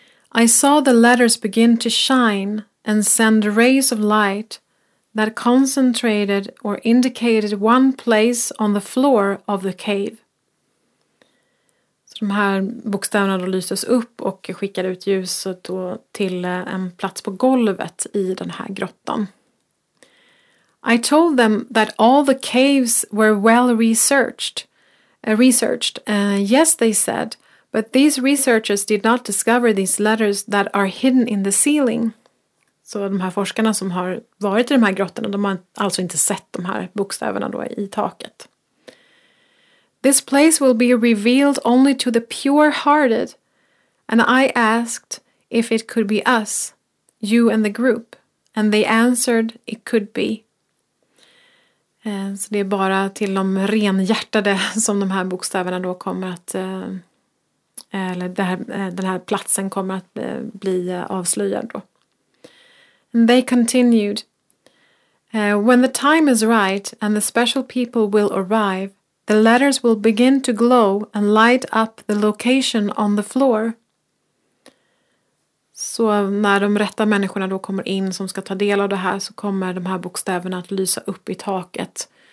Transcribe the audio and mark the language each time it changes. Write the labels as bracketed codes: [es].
[en] I saw the letters begin to shine and send rays of light that concentrated or indicated one place on the floor of the cave. [sv] Så de här bokstäverna då lyses upp och skickar ut ljuset då till en plats på golvet i den här grottan. [en] I told them that all the caves were well researched. Yes, they said. But these researchers did not discover these letters that are hidden in the ceiling. [sv] Så de här forskarna som har varit i de här grottorna, de har alltså inte sett de här bokstäverna då i taket. [en] This place will be revealed only to the pure-hearted. And I asked if it could be us, you and the group. And they answered it could be. [sv] Så det är bara till de renhjärtade som de här bokstäverna då kommer att... Eller den här platsen kommer att bli avslöjad då. [en] And they continued. When the time is right and the special people will arrive, the letters will begin to glow and light up the location on the floor. [sv] Så när de rätta människorna då kommer in som ska ta del av det här, så kommer de här bokstäverna att lysa upp i taket.